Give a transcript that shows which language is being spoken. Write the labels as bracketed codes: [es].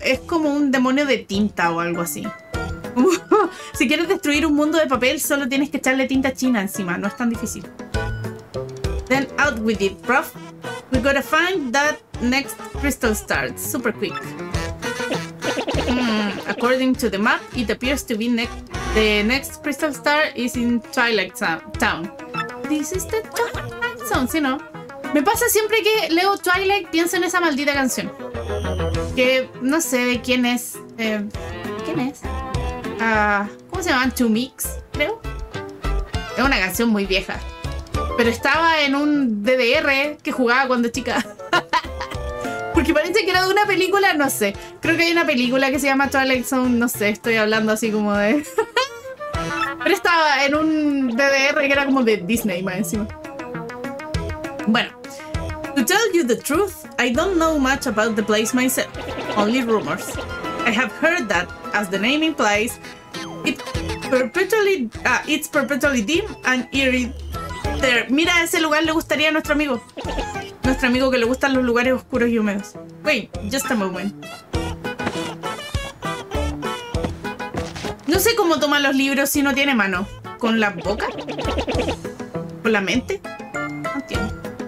[es] Es como un demonio de tinta o algo así. Si quieres destruir un mundo de papel, solo tienes que echarle tinta china encima. No es tan difícil. [en] Then out with it, prof. We gotta find that next crystal star, super quick. According to the map, it appears to be the next crystal star is in Twilight Town. This is the Twilight Zone, [es] ¿sí no? Me pasa siempre que leo Twilight, pienso en esa maldita canción. Que no sé de quién es. ¿Quién es? ¿Cómo se llaman? Two Mix, creo. Es una canción muy vieja. Pero estaba en un DDR que jugaba cuando chica. Porque parece que era de una película, no sé. Creo que hay una película que se llama Twilight Zone, no sé, estoy hablando así como de... Pero estaba en un DDR que era como de Disney, más encima. Bueno. [en] To tell you the truth, I don't know much about the place myself. Only rumors. I have heard that, as the name implies, it's perpetually dim and eerie. There. [es] Mira, ese lugar le gustaría a nuestro amigo. Nuestro amigo que le gustan los lugares oscuros y húmedos. [en] Wait, just a moment. [es] No sé cómo toma los libros si no tiene mano. ¿Con la boca? ¿Con la mente? No entiendo.